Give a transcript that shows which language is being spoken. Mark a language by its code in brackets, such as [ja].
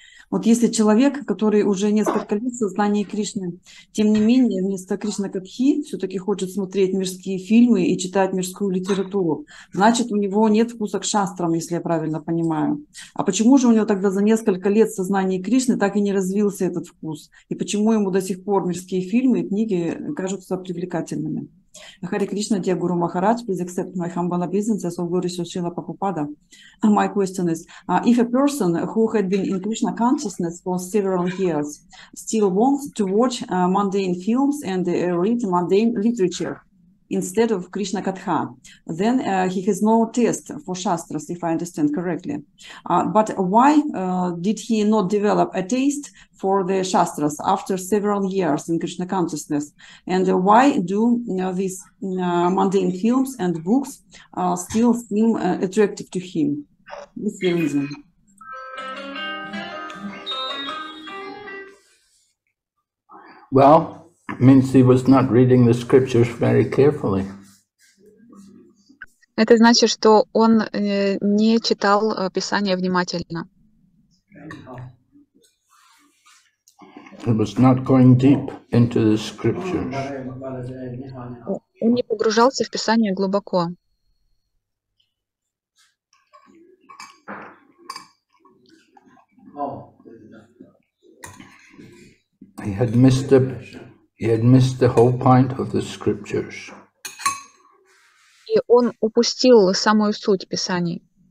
[ru] Вот если человек, который уже несколько лет в сознании Кришны, тем не менее, вместо Кришна Катхи все-таки хочет смотреть мирские фильмы и читать мирскую литературу, значит, у него нет вкуса к шастрам, если я правильно понимаю. А почему же у него тогда за несколько лет в сознании Кришны так и не развился этот вкус? И почему ему до сих пор мирские фильмы и книги кажутся привлекательными? [en] Харе Кришна, dear Guru Maharaj, please accept my humble obeisances of Guru Srila Prabhupada. My question is, if a person who had been in Krishna consciousness for several years still wants to watch mundane films and read mundane literature instead of Krishna Katha, then he has no taste for Shastras, if I understand correctly. But why did he not develop a taste for the Shastras after several years in Krishna consciousness? And why do these mundane films and books still seem attractive to him? What's the reason? Well, means he was not reading the scriptures very carefully. [ru] Это значит, что он не читал Писание внимательно. [en] He was not going deep into the scriptures. [ru] Он не погружался в Писание глубоко. [en] He had missed the whole point of the scriptures. [ru] И он упустил самую суть Писаний.